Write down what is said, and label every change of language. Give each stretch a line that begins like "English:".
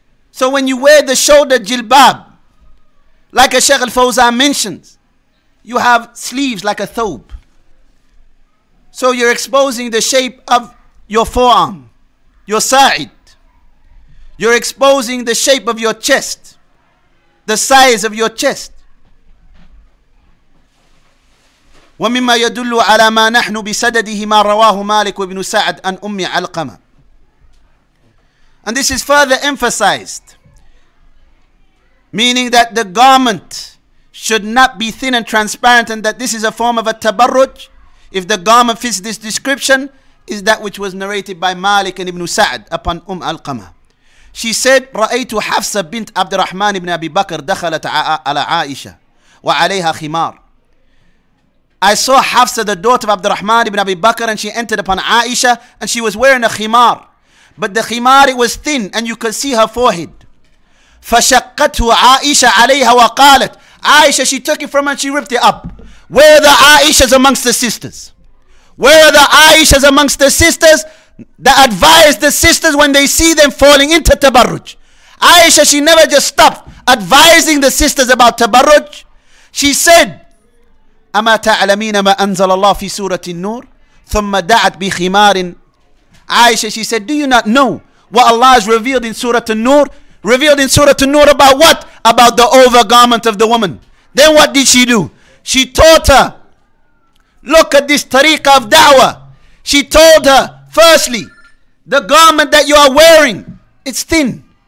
English: So when you wear the shoulder jilbab, like a Shaykh al-Fawzan mentions, you have sleeves like a thawb. So you're exposing the shape of your forearm, your sa'id. You're exposing the shape of your chest, the size of your chest.
Arabic: ومما يدل على ما نحن بسدده ما رواه مالك وابن سعد عن أم علقمة.
English: And this is further emphasized, meaning that the garment should not be thin and transparent, and that this is a form of a tabarruj, if the garment fits this description, is that which was narrated by Malik and Ibn Sa'd upon Umm Al-Qama. She said,
Arabic: رأيت حفصة بنت عبد الرحمن بن أبي بكر دخلت على عائشة وعليها خمار.
English: I saw Hafsa, the daughter of Abd al-Rahman ibn Abi Bakr, and she entered upon Aisha, and she was wearing a khimar. But the khimar, it was thin, and you could see her forehead.
Arabic: فَشَقَّتْهُ عَائِشَ عَلَيْهَا وَقَالَتْ,
English: Aisha, she took it from her and she ripped it up. Where are the Aishas amongst the sisters? Where are the Aishas amongst the sisters that advise the sisters when they see them falling into Tabarruj? Aisha, she never just stopped advising the sisters about Tabarruj. She said,
Arabic: أَمَا تَعْلَمِينَ مَا أَنزَلَ اللَّهُ فِي سُورَةِ النُّورِ ثُمَّ دَعَتْ بِخِمَارٍ.
English: Aisha, she said, do you not know what Allah has revealed in Surah An-Nur? Revealed in Surah An-Nur about what? About the overgarment of the woman. Then what did she do? She taught her, look at this tariqah of da'wah. She told her, firstly, the garment that you are wearing, it's thin.